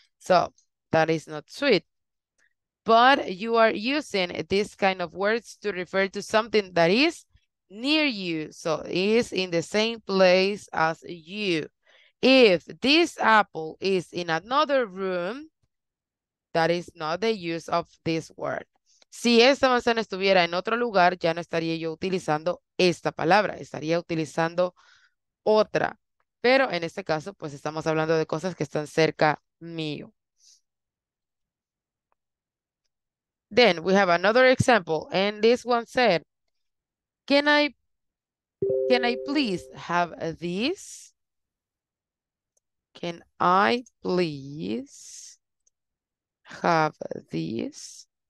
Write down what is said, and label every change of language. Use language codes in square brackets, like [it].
[en] So that is not sweet. But you are using this kind of words to refer to something that is near you. So it is in the same place as you. If this apple is in another room, that is not the use of this word. [es] Si esta manzana estuviera en otro lugar, ya no estaría yo utilizando esta palabra. Estaría utilizando otra. Pero en este caso, pues estamos hablando de cosas que están cerca mío. [en] Then we have another example. And this one said, can I please have this? Can I please have this?